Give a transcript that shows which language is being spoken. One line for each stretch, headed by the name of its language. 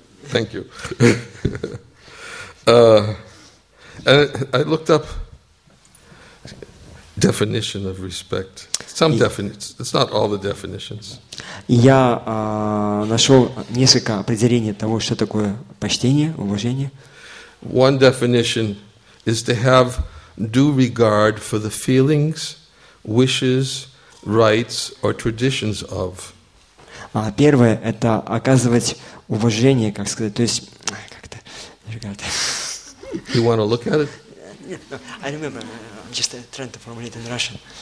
English: Thank you. I looked up definition of respect. Some definitions. It's not all the definitions.
Russian: Я нашел несколько определений того, что такое почтение, уважение.
English: One definition is to have due regard for the feelings, wishes, rights, or traditions of.
Russian: Первое – это оказывать уважение, как сказать, то есть, как-то, regard.
English: You want to look at it? I remember. I'm just trying to formulate in Russian.